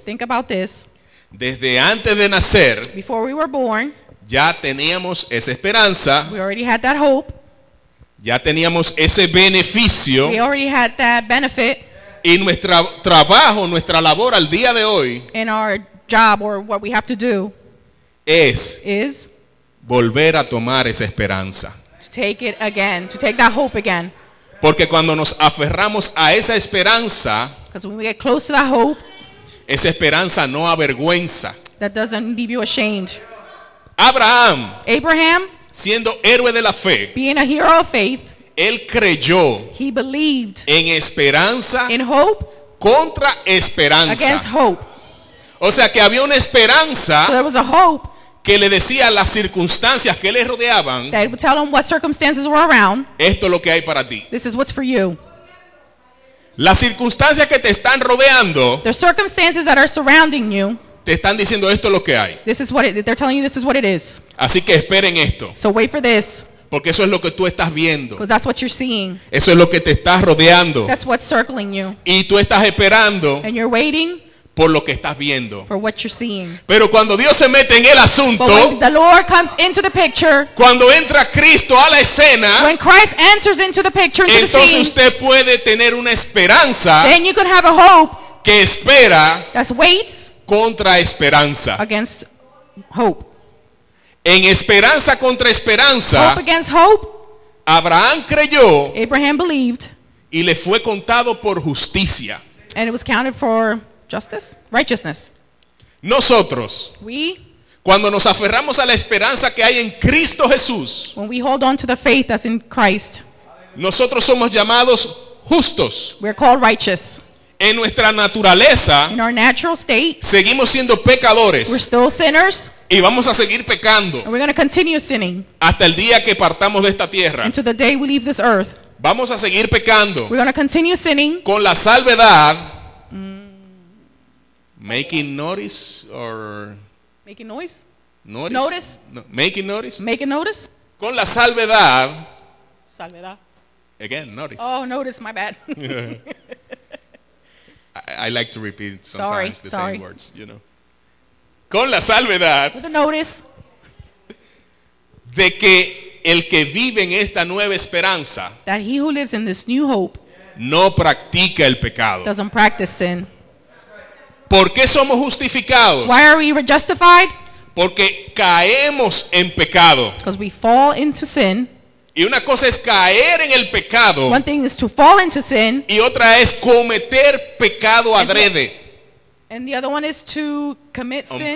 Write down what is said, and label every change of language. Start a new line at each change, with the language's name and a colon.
English: Think about this.
Spanish: Desde antes de nacer.
English: Before we were born.
Spanish: Ya teníamos esa esperanza.
English: We already had that hope.
Spanish: Ya teníamos ese beneficio.
English: We already had that benefit.
Spanish: Y nuestro trabajo, nuestra labor al día de hoy,
English: in our job or what we have to do,
Spanish: es volver a tomar esa esperanza.
English: To take it again, to take that hope again.
Spanish: Porque cuando nos aferramos a esa esperanza,
English: because when we get close to that hope,
Spanish: esa esperanza no avergüenza.
English: That doesn't leave you ashamed.
Spanish: Abraham, siendo héroe de la fe,
English: being a hero of faith,
Spanish: él creyó.
English: He believed.
Spanish: En esperanza.
English: In hope.
Spanish: Contra esperanza.
English: Against hope.
Spanish: O sea que había una esperanza.
English: So there was a hope.
Spanish: Que le decía las circunstancias que le rodeaban.
English: That would tell him what circumstances were around.
Spanish: Esto es lo que hay para ti.
English: This is what's for you.
Spanish: Las circunstancias que te están rodeando.
English: The circumstances that are surrounding you.
Spanish: Te están diciendo esto es lo que hay.
English: This is what it, they're telling you this is what it is.
Spanish: Así que esperen esto.
English: So wait for this.
Spanish: Porque eso es lo que tú estás viendo.
English: Because that's what you're seeing.
Spanish: Eso es lo que te estás rodeando.
English: That's what's circling you.
Spanish: Y tú estás esperando.
English: And you're waiting.
Spanish: Por lo que estás viendo.
English: For what you're seeing.
Spanish: Pero cuando Dios se mete en el asunto.
English: But when the Lord comes into the picture.
Spanish: Cuando entra Cristo a la escena.
English: When Christ enters into the picture, into
Spanish: entonces
English: the scene,
Spanish: usted puede tener una esperanza.
English: Then you can have a hope.
Spanish: Que espera.
English: That waits.
Spanish: Contra esperanza.
English: Against hope.
Spanish: En esperanza contra esperanza.
English: Hope against hope.
Spanish: Abraham creyó.
English: Abraham believed.
Spanish: Y le fue contado por justicia.
English: And it was counted for justice, righteousness.
Spanish: Nosotros.
English: We.
Spanish: Cuando nos aferramos a la esperanza que hay en Cristo Jesús.
English: When we hold on to the faith that's in Christ.
Spanish: Nosotros somos llamados justos.
English: We're called righteous.
Spanish: En nuestra naturaleza.
English: In our natural state.
Spanish: Seguimos siendo pecadores.
English: We're still sinners.
Spanish: Y vamos a seguir pecando.
English: We're going to continue sinning.
Spanish: Hasta el día que partamos de esta tierra.
English: Until the day we leave this earth.
Spanish: Vamos a seguir pecando.
English: We're going to continue sinning.
Spanish: Con la salvedad.
English: Making notice or. Making noise? Notice? Notice? No, making notice? Making notice?
Spanish: Con la salvedad. Salvedad.
English: Again, notice. Oh, notice, my bad. I like to repeat sometimes same words, you know.
Spanish: Con la salvedad.
English: With the notice.
Spanish: De que el que vive en esta nueva esperanza.
English: That he who lives in this new hope.
Spanish: No practica el pecado.
English: Doesn't practice sin.
Spanish: ¿Por qué somos justificados?
English: Why are we justified?
Spanish: Porque caemos en pecado.
English: Because we fall into sin.
Spanish: Y una cosa es caer en el pecado.
English: One thing is to fall into sin.
Spanish: Y otra es cometer pecado adrede.
English: And the other one is to commit sin.